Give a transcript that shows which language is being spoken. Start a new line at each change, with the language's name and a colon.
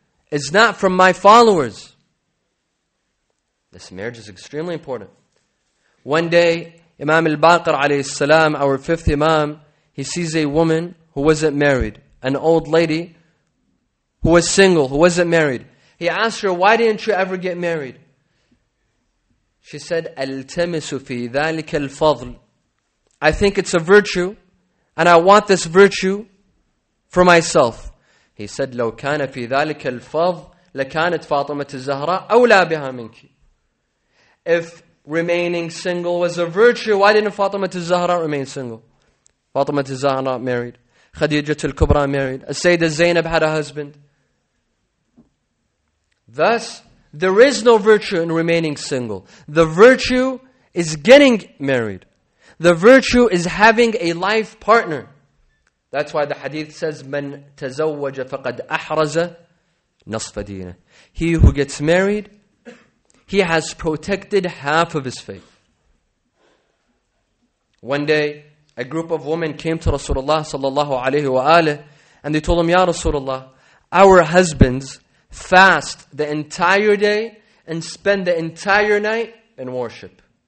English: It's not from my followers. This marriage is extremely important. One day, Imam al-Baqir alayhi salam, our fifth imam, he sees a woman who wasn't married, an old lady who was single, who wasn't married. He asked her, why didn't you ever get married? She said,
Arabic: أَلْتَمِسُ فِي ذَلِكَ الْفَضْلِ.
English: I think it's a virtue, and I want this virtue for myself. He said,
Arabic: لَوْ كَانَ فِي ذَلِكَ الْفَضْلِ لَكَانَتْ فَاطِمَةِ الزَّهْرَىٰ أَوْلَى بِهَا مِنْكِ.
English: If remaining single was a virtue, why didn't Fatima al-Zahra remain single? Fatima al-Zahra married. Khadija al-Kubra married. Sayyida Zainab had a husband. Thus, there is no virtue in remaining single. The virtue is getting married. The virtue is having a life partner. That's why the hadith says,
Arabic: من تزوج فقد أحرز نصف دينه.
English: He who gets married, he has protected half of his faith. One day, a group of women came to Rasulullah sallallahu alayhi wa alayhi, and they told him, Ya Rasulullah, our husbands fast the entire day and spend the entire night in worship.